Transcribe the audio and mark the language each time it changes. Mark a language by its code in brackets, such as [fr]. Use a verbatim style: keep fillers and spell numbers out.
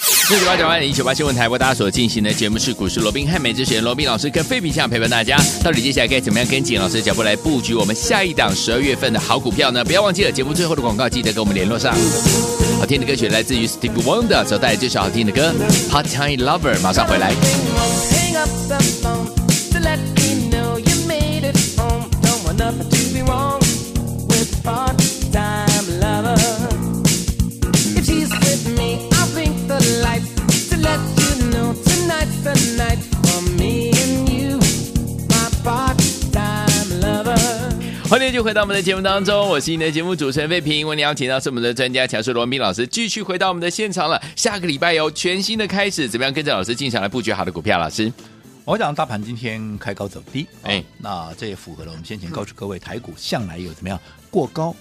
[zh] 六九八九万零九八新闻台为大家所进行的节目是股市罗宾汉，美之选罗宾老师跟费品相陪伴大家，到底接下来该怎么样跟紧老师的脚步来布局我们下一档十二月份的好股票呢？不要忘记了节目最后的广告，记得跟我们联络上。好听的歌曲来自于 Stevie Wonder 所带来这首好听的歌 Hot Time Lover， 马上回来。 [en] Let me know you made it home. Don't want nothing to be wrong with part-time lover. If she's with me, I'll blink the lights to let you know tonight's the night for me and you, my part-time lover. [zh] 欢迎就回到我们的节目当中，我是你的节目主持人费平，为你邀请到是我们的专家强叔罗文彬老师继续回到我们的现场了。下个礼拜有全新的开始，怎么样跟着老师进场来布局好的股票？老师，我讲大盘今天开高走低，哎、哦，那这也符合了我们先前告诉各位，台股向来有怎么样过高、